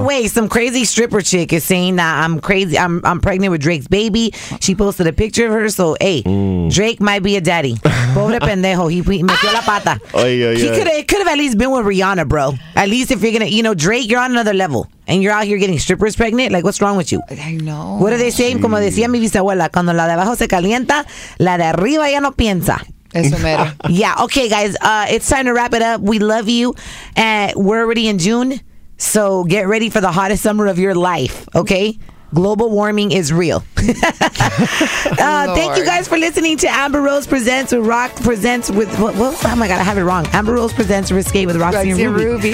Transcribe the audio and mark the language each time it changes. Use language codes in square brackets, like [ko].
[en] The way, some crazy stripper chick is saying that I'm crazy. I'm pregnant with Drake's baby. She posted a picture of her. So, hey, Drake might be a daddy. [es] Pobre pendejo. He metió la pata. [en] It could have at least been with Rihanna, bro. At least if you're going to, you know, Drake, you're on another level. And you're out here getting strippers pregnant? Like, what's wrong with you? I know. What are they saying? [es] Jeez. Como decía mi bisabuela, cuando la de abajo se calienta, la de arriba ya no piensa. Eso mero. [en] Yeah. Okay, guys. It's time to wrap it up. We love you. We're already in June, so get ready for the hottest summer of your life, okay? Global warming is real. thank you guys for listening to Amber Rose Presents with Rock Presents with... Oh my God, I have it wrong. Amber Rose Presents Risqué with Roxy and Rubi.